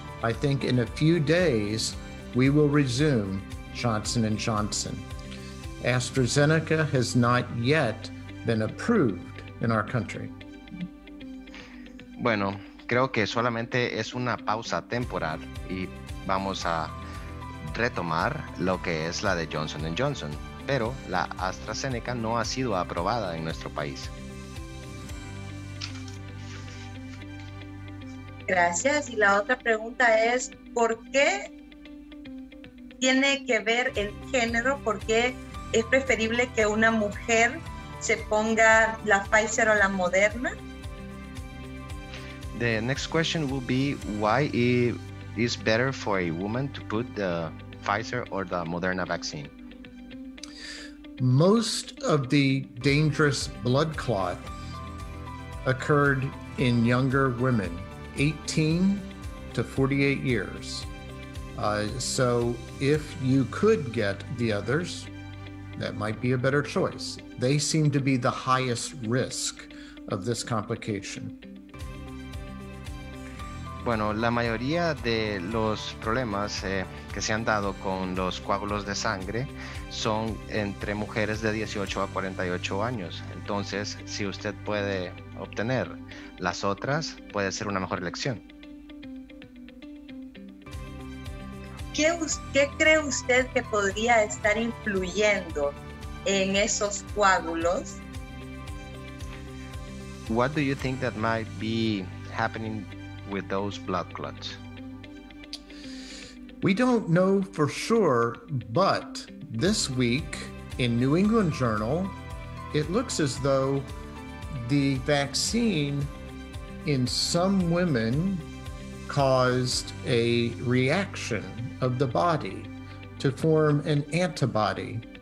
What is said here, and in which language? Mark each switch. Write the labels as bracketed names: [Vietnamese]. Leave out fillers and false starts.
[English] I think in a few days, we will resume Johnson & Johnson. AstraZeneca has not yet been approved in our country. [Spanish] Bueno, creo que solamente es una pausa temporal y vamos a retomar lo que es la de Johnson & Johnson, pero la AstraZeneca no ha sido aprobada en nuestro país. Gracias. Y la otra pregunta es, ¿por qué tiene que ver el género? ¿Por qué es preferible que una mujer se ponga la Pfizer o la Moderna? [English] The next question will be, why is better for a woman to put the Pfizer or the Moderna vaccine? Most of the dangerous blood clot occurred in younger women, 18 to 48 years. So if you could get the others, that might be a better choice. They seem to be the highest risk of this complication. [Spanish] Bueno, la mayoría de los problemas que se han dado con los coágulos de sangre son entre mujeres de 18 a 48 años. Entonces, si usted puede obtener las otras, puede ser una mejor elección. ¿Qué cree usted que podría estar influyendo en esos coágulos? [English] What do you think that might be happening with those blood clots? We don't know for sure, but this week in New England Journal, it looks as though the vaccine in some women caused a reaction of the body to form an antibody.